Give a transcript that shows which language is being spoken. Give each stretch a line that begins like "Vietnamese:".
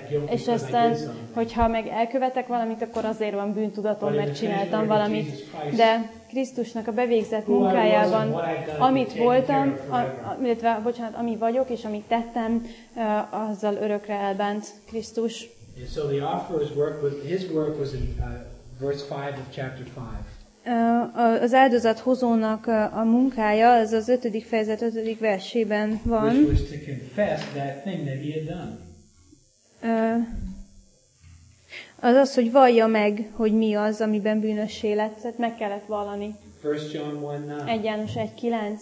Hungarian: És aztán, hogyha meg elkövetek valamit, akkor azért van bűntudatom, mert csináltam valamit. De Krisztusnak a bevégzett munkájában, amit voltam, illetve, bocsánat, ami vagyok, és amit tettem, azzal örökre elbánt Krisztus.
English: And so the offerer's work, his work was in verse 5 of chapter 5.
Hungarian: Az áldozathozónak a munkája az az 5. fejezet 5. versében van.
English: Which was to confess that thing that he had done.
Hungarian: Az, hogy vallja meg, hogy mi az, amiben bűnössé lett, tehát meg kellett vallani. 1 János 1.9.